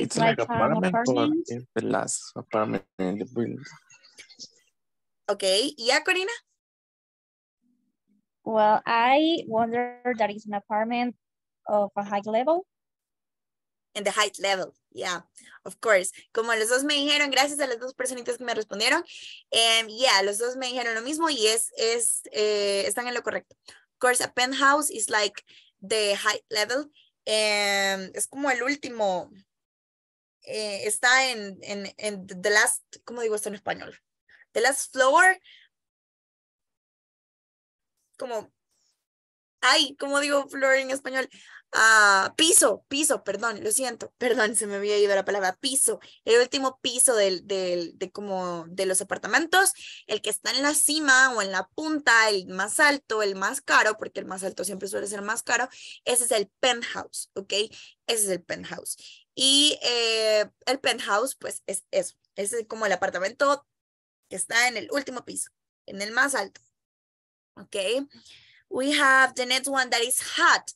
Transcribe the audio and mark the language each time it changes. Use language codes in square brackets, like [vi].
[en] It's like apartment, but the last apartment in the building. Okay. Yeah, Corina? Well, I wonder that it's an apartment of a high level. In the height level. Yeah, of course. [es] Como los dos me dijeron, gracias a las dos personitas que me respondieron. Yeah, los dos me dijeron lo mismo y están en lo correcto. [en] Of course, a penthouse is like the height level. [es] Es como el último, está en [en] the last, [es] ¿cómo digo esto en español? [en] The last floor, [es] ¿cómo digo floor en español? Piso, perdón, se me había ido la palabra, piso, el último piso de los apartamentos, el que está en la cima o en la punta, el más alto, el más caro, porque el más alto siempre suele ser más caro, ese es el penthouse, ¿ok? Ese es el penthouse. Y el penthouse, pues, es eso, ese es como el apartamento que está en el último piso, en el más alto, ¿ok? [en] We have the next one that is hot.